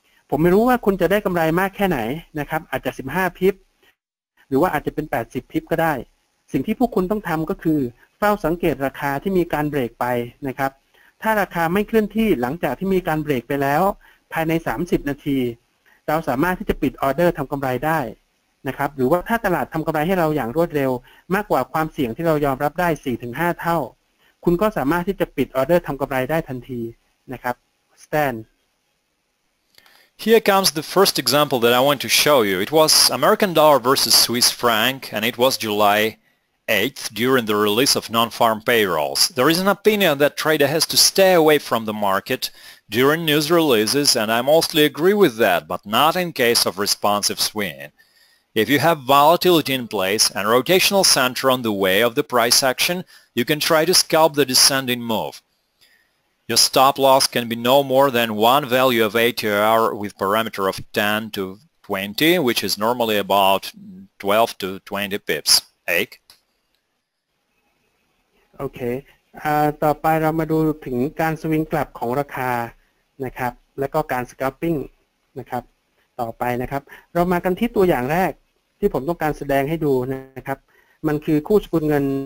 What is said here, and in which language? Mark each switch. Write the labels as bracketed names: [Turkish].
[Thai] ผมไม่รู้ว่าคุณจะได้กำไรมากแค่ไหนนะครับอาจจะ15พิปหรือว่าอาจจะเป็น80พิปก็ได้สิ่งที่พวกคุณต้องทำก็คือเฝ้าสังเกตราคาที่มีการเบรกไปนะครับถ้าราคาไม่เคลื่อนที่หลังจากที่มีการเบรกไปแล้วภายใน30นาทีเราสามารถที่จะปิดออเดอร์ทำกำไรได้นะครับหรือว่าถ้าตลาดทำกำไรให้เราอย่างรวดเร็วมากกว่าความเสี่ยงที่เรายอมรับได้ 4-5 เท่าคุณก็สามารถที่จะปิดออเดอร์ทำกำไรได้ทันทีนะครับ Stan [English] Here comes the first example that I want to show you. It was American dollar versus Swiss franc and it was July 8th during the release of non-farm payrolls. There is an opinion that trader has to stay away from the market during news releases and I mostly agree with that but not in case of responsive swing. If you have volatility in place and rotational center on the way of the price action, you can try to scalp the descending move. Your stop loss can be no more than one value of ATR with parameter of 10 to 20, which is normally about 12 to 20 pips. Ake? Okay. [Thai] ต่อไปเรามาดูถึงการสวิงกลับของราคานะครับแล้วก็การสแคลปิ้งนะครับต่อไปนะครับเรามากันที่ตัวอย่างแรกที่ผมต้องการแสดงให้ดูนะครับมันคือคู่สกุลเงิน